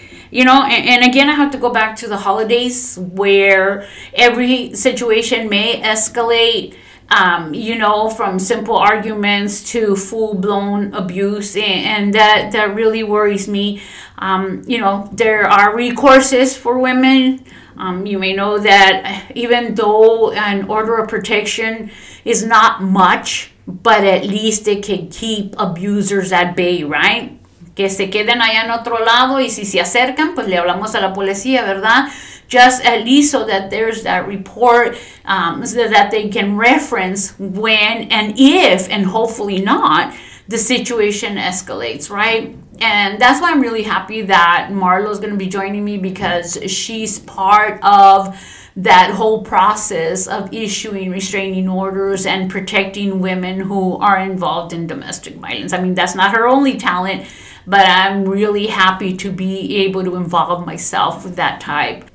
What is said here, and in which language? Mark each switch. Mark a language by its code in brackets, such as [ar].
[en] You know, and again, I have to go back to the holidays, where every situation may escalate, you know, from simple arguments to full-blown abuse, and that really worries me. You know, there are recourses for women. You may know that even though an order of protection is not much, but at least it can keep abusers at bay, right? [es] Que se queden allá en otro lado, y si se acercan, pues le hablamos a la policía, ¿verdad? [en] Just at least so that there's that report, so that they can reference when and if, and hopefully not, the situation escalates, right? And that's why I'm really happy that Marlo's going to be joining me, because she's part of that whole process of issuing restraining orders and protecting women who are involved in domestic violence. I mean, that's not her only talent, but I'm really happy to be able to involve myself with that type.